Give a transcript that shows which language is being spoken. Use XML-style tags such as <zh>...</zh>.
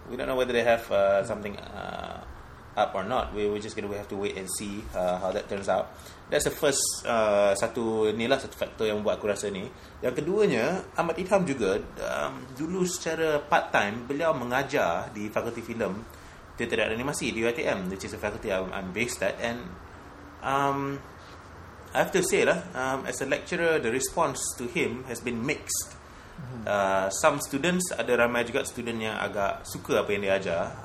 <en>We don't know whether they have something up or not. We're just going to have to wait and see how that turns out. That's the first</en> <ms>satu ni lah, satu faktor yang membuat aku rasa ni. Yang keduanya, Ahmad Idham juga dulu secara part time beliau mengajar di Fakulti Film Teater dan Animasi di UiTM,</ms> <en>which is a faculty I'm based at. And I have to say lah, as a lecturer, the response to him has been mixed. Some students,</en> <ms>ada ramai juga student yang agak suka apa yang dia ajar.</ms>